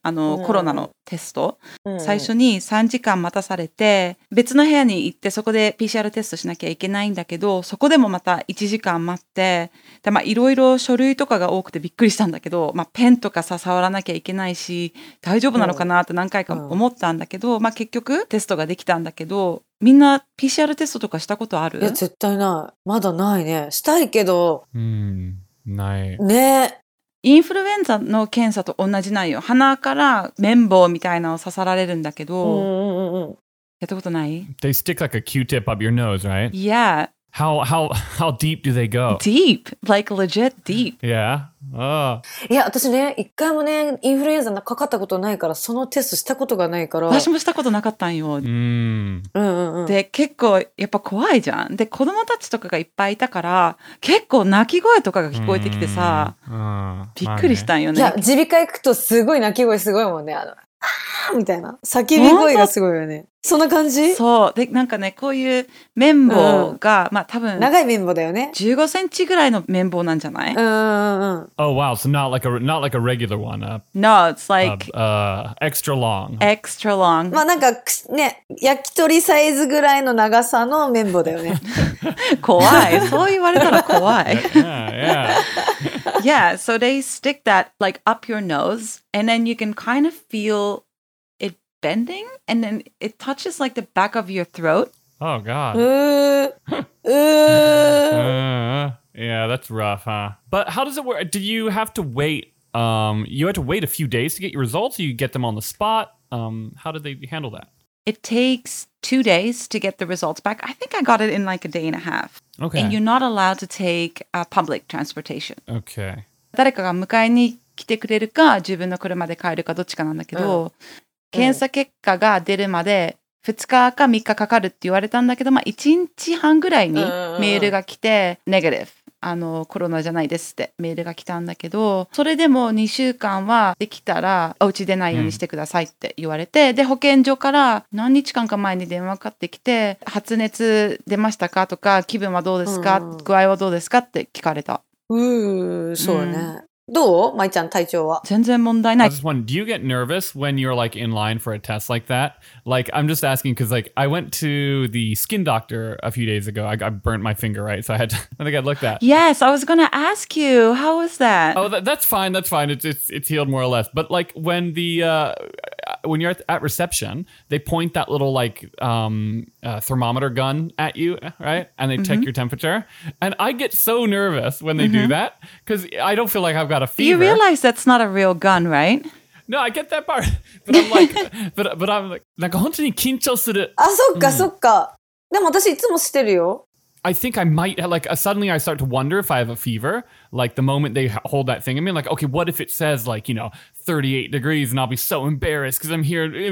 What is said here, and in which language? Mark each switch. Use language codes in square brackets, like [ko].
[ja] あの、コロナのテスト。最初に3時間待たされて、別の部屋に行ってそこで PCR テストしなきゃいけないんだけど、そこでもまた1時間待って、で、まあ、いろいろ書類とかが多くてびっくりしたんだけど、まあ、ペンとかさ、触らなきゃいけないし、大丈夫なのかなって何回か思ったんだけど、まあ、結局テストができたんだけど、みんな PCR テストとかしたことある？いや、絶対ない。まだないね。したいけど。うん、ない。ね。インフルエンザの検査と同じなんよ。鼻から綿棒みたいなのを刺さられるんだけど。うんうんうんうん。やったことない？ [en] They stick like a Q-tip up your nose, right? Yeah. How deep do they go? Deep. Like legit deep. Yeah. [ja] いや、私ね、一回もね、インフルエンザかかったことないから、そのテストしたことがないから。私もしたことなかったんよ。うん。で、結構やっぱ怖いじゃん。で、子供たちとかがいっぱいいたから、結構泣き声とかが聞こえてきてさ、びっくりしたんよね。いや、耳鼻科行くとすごい泣き声すごいもんね。あの、あーみたいな。叫び声がすごいよね。そんな感じ？そう。で、なんかね、こういう綿棒が、まあ多分、長い綿棒だよね。 15センチぐらいの綿棒なんじゃない？ [en] Oh, wow. So not like a regular one. No, it's like, extra long. Extra long. [ja] まあなんか、ね、焼き鳥サイズぐらいの長さの綿棒だよね。怖い。そう言われたら怖い。 [en] Yeah, yeah. Yeah, so they stick that like up your nose, and then you can kind of feel it bending, and then it touches like the back of your throat. Oh, God. Yeah, that's rough, huh? But how does it work? Do you have to wait? You had to wait a few days to get your results, or you get them on the spot? How did they handle that? It takes 2 days to get the results back. I think I got it in like a day and a half. Okay. And you're not allowed to take public transportation. Okay. [ja] 誰かが迎えに来てくれるか、自分の車で帰るかどっちかなんだけど、検査結果が出るまで2日か3日かかるって言われたんだけど、まあ1日半ぐらいにメールが来て、ネガティブ、あの、コロナじゃないですってメールが来たんだけど、それでも2週間はできたらお家出ないようにしてくださいって言われて、で、保健所から何日間か前に電話かかってきて、発熱出ましたかとか、気分はどうですか、具合はどうですかって聞かれた。そうね。どう？舞ちゃん、体調は。全然問題ない。 [en] I just wonder, do you get nervous when you're like in line for a test like that? Like, I'm just asking because like, I went to the skin doctor a few days ago. I burnt my finger, right? So I had to, I think I'd look that. Yes, I was going to ask you, how was that? Oh, that's fine, that's fine. It's healed more or less. But like, when the, when you're at reception, they point that little like, thermometer gun at you, right? And they check your temperature. And I get so nervous when they do that because I don't feel like I've got a fever. You realize that's not a real gun, right? No, I get that part. But I'm like, but I'm like, [ja] 本当に緊張する。あ、そっか、そっか。でも私いつもしてるよ。 [en] I think I might, like, suddenly I start to wonder if I have a fever, like, the moment they hold that thing. I mean, like, okay, what if it says, like, you know, 38 degrees and I'll be so embarrassed because I'm here.